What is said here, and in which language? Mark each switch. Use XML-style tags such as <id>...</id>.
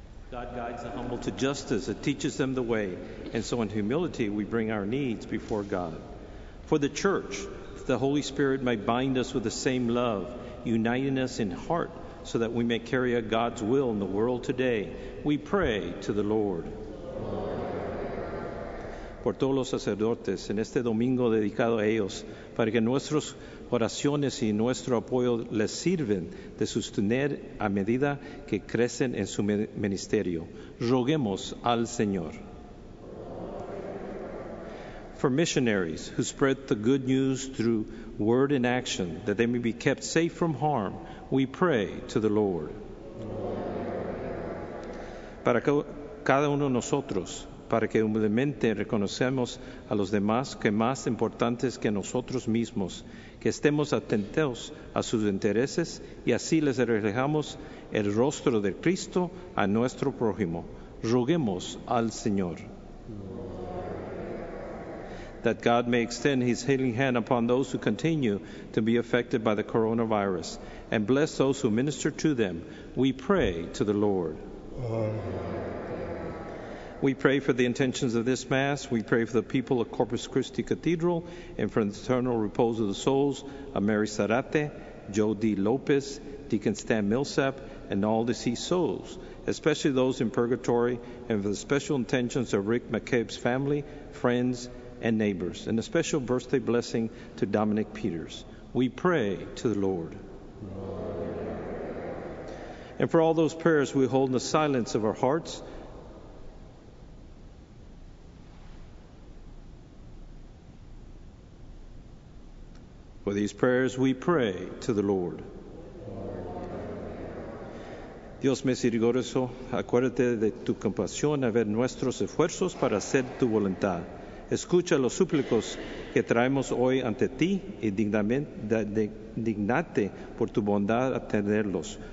<en>God guides the humble to justice. It teaches them the way. And so in humility, we bring our needs before God. For the Church, the Holy Spirit may bind us with the same love, uniting us in heart so that we may carry out God's will in the world today. We pray to the Lord.</en> <es>Por todos los sacerdotes, en este domingo dedicado a ellos, para que nuestras oraciones y nuestro apoyo les sirven de sostener a medida que crecen en su ministerio. Roguemos al Señor.</es> <en>For missionaries who spread the good news through word and action, that they may be kept safe from harm, we pray to the Lord.</en> <es>Para cada uno de nosotros, para que humildemente reconocemos a los demás que más importantes que nosotros mismos, que estemos atentos a sus intereses y así les reflejamos el rostro de Cristo a nuestro prójimo. Roguemos al Señor.</es> <en>That God may extend his healing hand upon those who continue to be affected by the coronavirus and bless those who minister to them, we pray to the Lord. Amen. We pray for the intentions of this Mass. We pray for the people of Corpus Christi Cathedral and for the eternal repose of the souls of Mary Sarate, Joe D. Lopez, Deacon Stan Millsap, and all deceased souls, especially those in purgatory, and for the special intentions of Rick McCabe's family, friends, and neighbors, and a special birthday blessing to Dominic Peters. We pray to the Lord. And for all those prayers we hold in the silence of our hearts, for these prayers we pray to the Lord.</en> <es>Dios misericordioso, acuérdate de tu compasión a ver nuestros esfuerzos para hacer tu voluntad. Escucha los súplicos que traemos hoy ante ti y dignate por tu bondad atenderlos.</es>